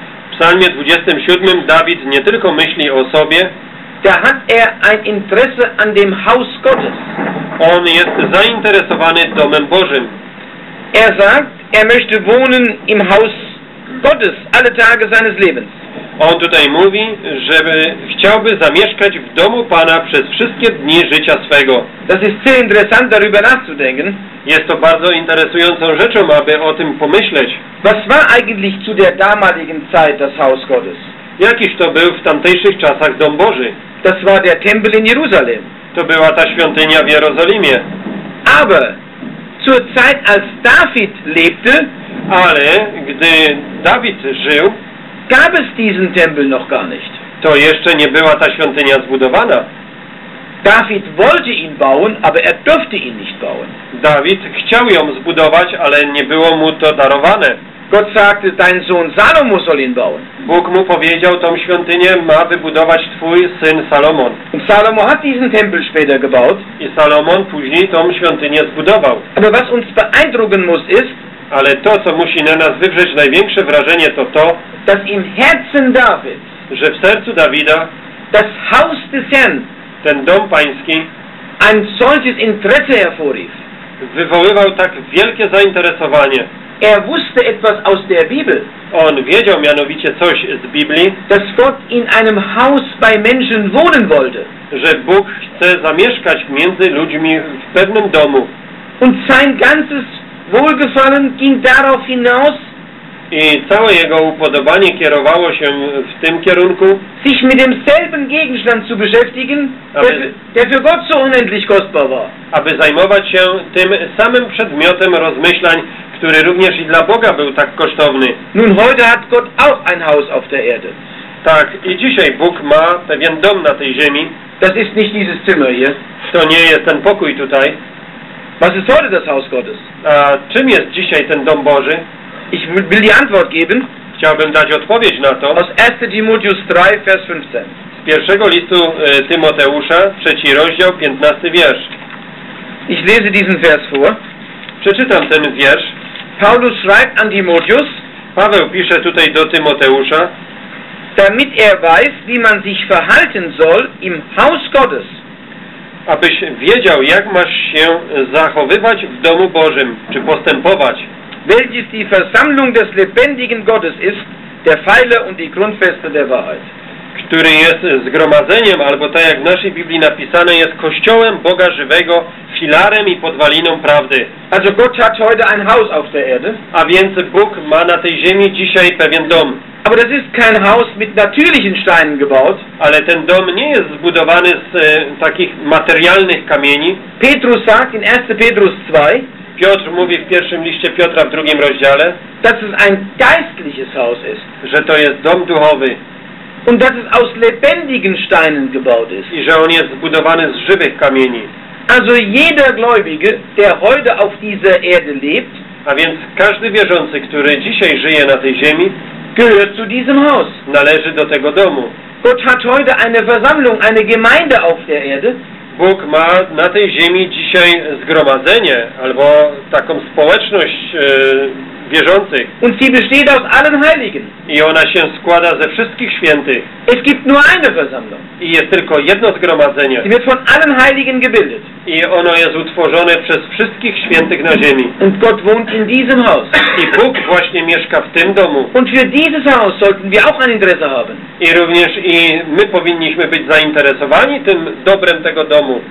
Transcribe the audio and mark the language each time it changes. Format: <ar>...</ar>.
<pl>W Psalmie 27 David nie tylko myśli o sobie.</pl> <de>Da hat er ein Interesse an dem Haus Gottes.</de> <pl>On jest zainteresowany domem Bożym.</pl> <de>Er sagt, er möchte wohnen im Haus Gottes alle Tage seines Lebens.</de> <pl>On tutaj mówi, żeby chciałby zamieszkać w domu Pana przez wszystkie dni życia swego.</pl> <de>Das ist sehr interessant, darüber nachzudenken.</de> <pl>Jest to bardzo interesującą rzeczą, aby o tym pomyśleć.</pl> <de>Was war eigentlich zu der damaligen Zeit das Haus Gottes?</de> <pl>Jakiż to był w tamtejszych czasach dom Boży?</pl> <de>Das war der Tempel in Jerusalem.</de> <pl>To była ta świątynia w Jerozolimie.</pl> <de>Aber zur Zeit, als David lebte,</de> <pl>ale gdy Dawid żył,</pl> <de>gab es diesen Tempel noch gar nicht.</de> <pl>To jeszcze nie była ta świątynia zbudowana.</pl> <de>David wollte ihn bauen, aber er durfte ihn nicht bauen.</de> <pl>Dawid chciał ją zbudować, ale nie było mu to darowane.</pl> <de>Gott sagte, dein Sohn Salomo soll ihn bauen.</de> <pl>Bóg mu powiedział, tą świątynię ma wybudować twój syn Salomon.</pl> <de>Und Salomo hat diesen Tempel später gebaut.</de> <pl>I Salomon później tą świątynię zbudował.</pl> <de>Aber was uns beeindrucken muss ist,</de> <pl>ale to, co musi na nas wywrzeć największe wrażenie, to to,</pl> <de>dass im Herzen David,</de> <pl>że w sercu Dawida,</pl> <de>das Haus des Herrn,</de> <pl>ten dom pański,</pl> <de>ein solches Interesse hervorrief,</de> <pl>wywoływał tak wielkie zainteresowanie.</pl> <de>Er wusste etwas aus der Bibel.</de> <pl>On wiedział mianowicie coś z Biblii,</pl> <de>dass Gott in einem Haus bei Menschen wohnen wollte,</de> <pl>że Bóg chce zamieszkać między ludźmi w pewnym domu.</pl> <de>Und sein ganzes Wohlgefallen ging darauf hinaus,</de> <pl>i całe jego upodobanie kierowało się w tym kierunku,</pl> <de>sich mit demselben Gegenstand zu beschäftigen, der für Gott so unendlich kostbar war.</de> <pl>Aby zajmować się tym samym przedmiotem rozmyślań, który również i dla Boga był tak kosztowny.</pl> <de>Nun heute hat Gott auch ein Haus auf der Erde.</de> <pl>Tak, i dzisiaj Bóg ma pewien dom na tej ziemi.</pl> <de>Das ist nicht dieses Zimmer hier.</de> <pl>To nie jest ten pokój tutaj.</pl> <de>Was ist heute das Haus Gottes?</de> <pl>A czym jest dzisiaj ten dom Boży?</pl> <de>Ich will die Antwort geben.</de> <pl>Chciałbym dać odpowiedź na to.</pl> <de>Aus 1. Timotheus 3, Vers 15.</de> <pl>Z pierwszego listu Tymoteusza, 3 rozdział, 15 wiersz.</pl> <de>Ich lese diesen Vers vor.</de> <pl>Przeczytam ten wiersz.</pl> <de>Paulus schreibt an Timotheus.</de> <pl>Paweł pisze tutaj do Tymoteusza.</pl> <de>damit weiß, wie man sich verhalten soll im Haus Gottes.</de> <pl>Abyś wiedział, jak masz się zachowywać w domu Bożym, czy postępować.</pl> <de>Welches die Versammlung des lebendigen Gottes ist, der Pfeiler und die Grundfeste der Wahrheit.</de> <pl>Który jest zgromadzeniem, albo tak jak w naszej Biblii napisane, jest kościołem Boga żywego, filarem i podwaliną prawdy.</pl> <de>Also Gott hat heute ein Haus auf der Erde.</de> <pl>A więc Bóg ma na tej ziemi dzisiaj pewien dom.</pl> <de>Aber das ist kein Haus mit natürlichen Steinen gebaut.</de> <pl>Ale ten dom nie jest zbudowany z takich materialnych kamieni.</pl> <de>Petrus sagt in 1. Petrus 2.</de> <pl>Piotr mówi w pierwszym liście Piotra w drugim rozdziale,</pl> <de>dass es ein geistliches Haus ist.</de> <pl>Że to jest dom duchowy.</pl> <de>Und dass es aus lebendigen Steinen gebaut ist.</de> <pl>I że on jest zbudowany z żywych kamieni.</pl> <de>Also jeder Gläubige, der heute auf dieser Erde lebt,</de> <pl>a więc każdy wierzący, który dzisiaj żyje na tej ziemi,</pl> <de>gehört zu diesem Haus.</de> <pl>Należy do tego domu.</pl> <de>Gott hat heute eine Versammlung, eine Gemeinde auf der Erde.</de> <pl>Bóg ma na tej ziemi dzisiaj zgromadzenie, albo taką społeczność wierzących.</pl> <de>Und sie besteht aus allen Heiligen.</de> <pl>I ona się składa ze wszystkich świętych.</pl> <de>Es gibt nur eine Versammlung.</de> <pl>I jest tylko jedno zgromadzenie.</pl> <de>Sie wird von allen Heiligen gebildet.</de> <pl>I ono jest utworzone przez wszystkich świętych na ziemi.</pl> <de>Und Gott wohnt in diesem Haus.</de> <pl>I Bóg właśnie mieszka w tym domu.</pl> <de>Und für dieses Haus sollten wir auch ein Interesse haben.</de> <pl>I również i my powinniśmy być zainteresowani tym dobrem tego domu.</pl>